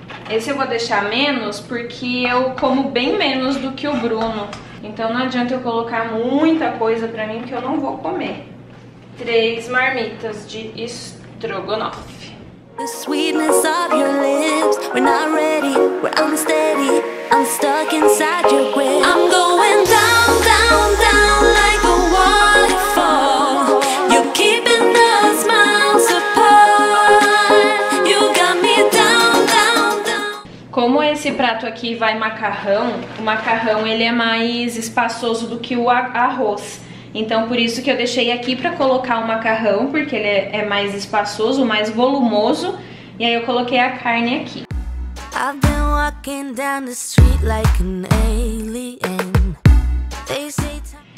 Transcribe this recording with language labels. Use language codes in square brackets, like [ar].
[pt] Esse eu vou deixar menos porque eu como bem menos do que o Bruno. Então não adianta eu colocar muita coisa pra mim que eu não vou comer. 3 marmitas de estrogonofe. [en] The sweetness of your lips. We're not ready, we're unsteady. I'm stuck inside your grip. I'm going down, down, down like a waterfall. You're keeping us miles apart. You got me down, down, down. [pt] Como esse prato aqui vai macarrão, o macarrão ele é mais espaçoso do que o arroz. Então por isso que eu deixei aqui pra colocar o macarrão, porque ele é mais espaçoso, mais volumoso. E aí eu coloquei a carne aqui. [en] I've been walking down the street like an alien. They say time...